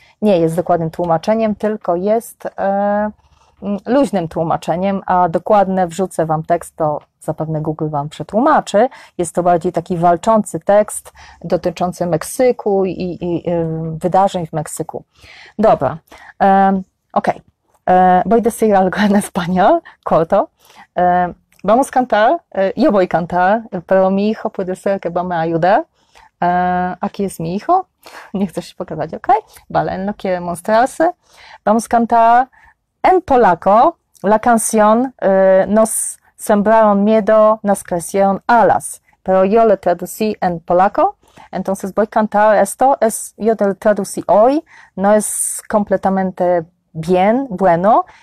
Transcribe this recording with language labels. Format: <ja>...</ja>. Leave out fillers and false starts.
<pl>Nie jest dokładnym tłumaczeniem, tylko jest luźnym tłumaczeniem, a dokładne wrzucę wam tekst, to zapewne Google wam przetłumaczy. Jest to bardziej taki walczący tekst dotyczący Meksyku i wydarzeń w Meksyku. Dobra, okej.</pl> <es>Voy a decir algo en español, corto. Vamos a cantar, yo voy a cantar, pero mi hijo puede ser que va me ayude. Aquí es mi hijo,</es> <pl>nie chcesz się pokazać, okej?</pl> <en>Okay.</en> <es>Vale, no quiero mostrarse. Vamos a cantar en polaco, la canción nos sembraron miedo, nos crecieron alas. Pero yo le traducí en polaco. Entonces voy a cantar esto. Yo le traducí hoy. No es completamente bien, bueno.</es>